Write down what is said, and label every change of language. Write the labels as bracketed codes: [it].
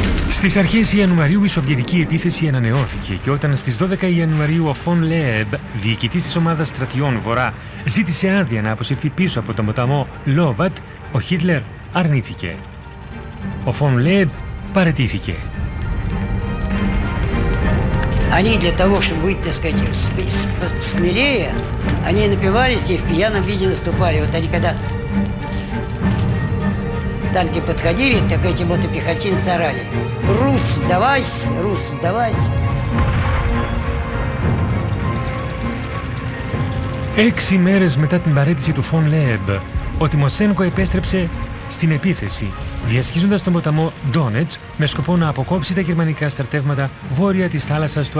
[el] Στις αρχές Ιανουαρίου η σοβιετική επίθεση ανανεώθηκε και όταν στις 12 Ιανουαρίου ο Φον Λέεμπ, διοικητής της ομάδας στρατιών Βορρά, ζήτησε άδεια να αποσυρθεί πίσω από τον ποταμό Λόβατ, ο Χίτλερ αρνήθηκε. Ο Φον Λέεμπ παραιτήθηκε. [ru] Они для того, чтобы быть, так сказать, смелее, они напивались и в пьяном виде наступали. Вот они когда танки подходили, так эти мотопехотинцы орали. Рус, сдавайся, рус, сдавайся. [el] Έξι μέρες μετά την παραίτηση του Φον Λέεμπ, ο Τιμοσένκο επέστρεψε στην επίθεση, διασχίζοντας τον ποταμό Ντόνετς με σκοπό να αποκόψει τα γερμανικά στρατεύματα βόρεια της θάλασσας του